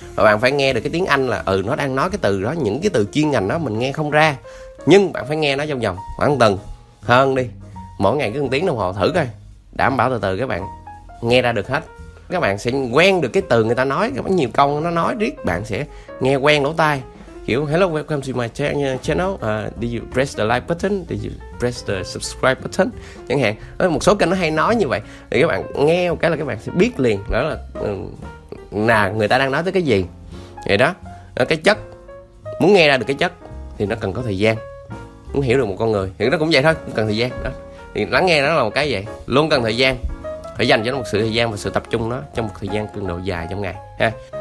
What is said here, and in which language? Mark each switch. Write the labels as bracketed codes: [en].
[vi] Và bạn phải nghe được cái tiếng Anh là ừ nó đang nói cái từ đó, những cái từ chuyên ngành đó mình nghe không ra, nhưng bạn phải nghe nó trong vòng khoảng tuần hơn đi, mỗi ngày cứ 1 tiếng đồng hồ thử coi, đảm bảo từ từ các bạn nghe ra được hết. Các bạn sẽ quen được cái từ người ta nói, có nhiều câu nó nói riết, bạn sẽ nghe quen lỗ tai. Kiểu [en] hello, welcome to my channel, did you press the like button, did you press the subscribe button [vi] chẳng hạn. Một số kênh nó hay nói như vậy, thì các bạn nghe một cái là các bạn sẽ biết liền đó là người ta đang nói tới cái gì. Vậy đó, cái chất, muốn nghe ra được cái chất thì nó cần có thời gian. Muốn hiểu được một con người thì nó cũng vậy thôi, cũng cần thời gian đó. Thì lắng nghe nó là một cái vậy, luôn cần thời gian, phải dành cho nó một sự thời gian và sự tập trung nó trong một thời gian cường độ dài trong ngày ha.